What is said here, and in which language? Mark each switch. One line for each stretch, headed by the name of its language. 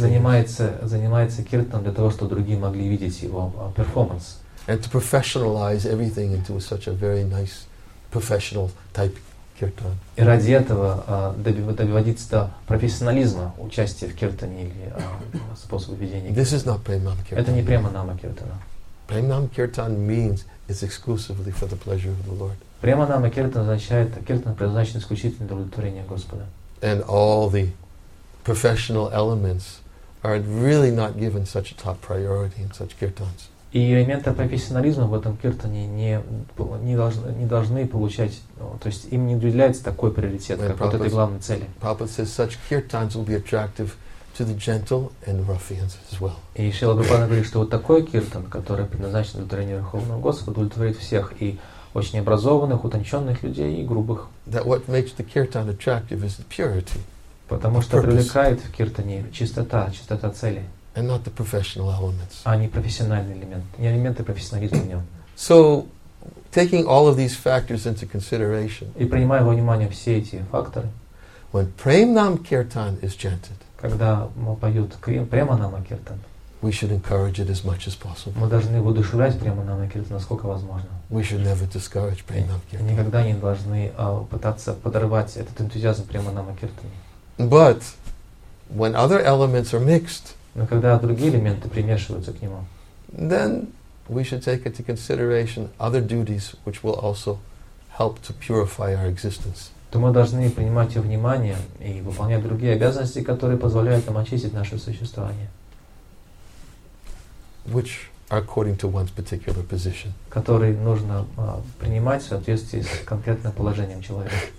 Russian: Занимается киртаном для того, чтобы другие могли видеть его перформанс.
English: And to professionalize everything into such a very nice professional type kirtan.
Russian: И ради этого доводиться до профессионализма участия в киртане или способа ведения.
English: This is not Premnam Kirtan.
Russian: Это не Премнама Киртана.
English: Premnam Kirtan means it's exclusively for the pleasure of the Lord.
Russian: Премнама Киртан означает, киртан предназначен исключительно для удовлетворения Господа.
English: And all the professional elements are really not given such a top priority in such kirtans.
Russian: И элементы профессионализма в этом киртане не должны получать, то есть им не уделяется такой приоритет, как вот этой главной цели.
English: Prabhupada says such kirtans will be attractive to the gentle and ruffians as well.
Russian: И Шрила Прабхупада говорит, что вот такой киртан, который предназначен для удовлетворения Верховного Господа, удовлетворит всех и очень образованных, утонченных людей и грубых.
English: That what makes the kirtan attractive is the purity.
Russian: Потому что привлекает в киртане чистота цели.
English: And not the professional elements.
Russian: А не профессиональный элемент. Не элементы профессионализма в нем.
English: So, taking all of these factors into consideration.
Russian: И принимая во внимание все эти факторы.
English: When Premnam Kirtan is chanted.
Russian: Когда мы поют Премнама Киртан.
English: We should encourage it as much as possible.
Russian: Мы должны воодушевлять Премнама Киртан, насколько возможно.
English: We should never discourage Premnam Kirtan.
Russian: Никогда не должны пытаться подорвать этот энтузиазм Премнама Киртана.
English: But when other elements are mixed,
Russian: но когда другие элементы примешиваются к нему,
English: then we should take into consideration other duties which will also help to purify our existence.
Russian: То мы должны принимать во внимание и выполнять другие обязанности, которые позволяют нам очистить наше существование,
English: which are according to one's particular position.
Russian: Которые нужно принимать в соответствии с конкретным положением человека.